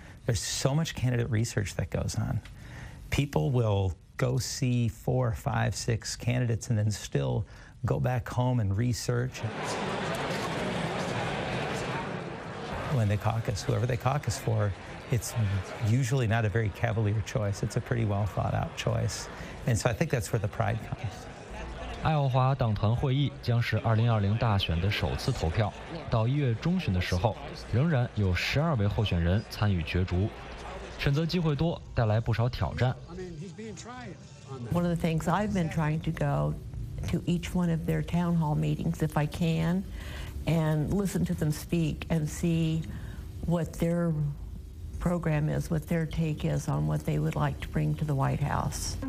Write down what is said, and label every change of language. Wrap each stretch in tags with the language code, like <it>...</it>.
<en>There's so much candidate research that goes on. People will go see 4, 5, 6 candidates and then still go back home and research. When they caucus, whoever they caucus for, it's usually not a very cavalier choice. It's a pretty well thought out choice. And so I think that's where the pride comes.</en> <zh>爱奥华党团会议将是2020大选的首次投票。到1月中旬的时候，仍然有12位候选人参与角逐。选择机会多，带来不少挑战。</zh> <en>One of the things I've been trying to go to each one of their town hall meetings if I can. And listen to them speak and see what their program is, what their take is on what they would like to bring to the White House.</en>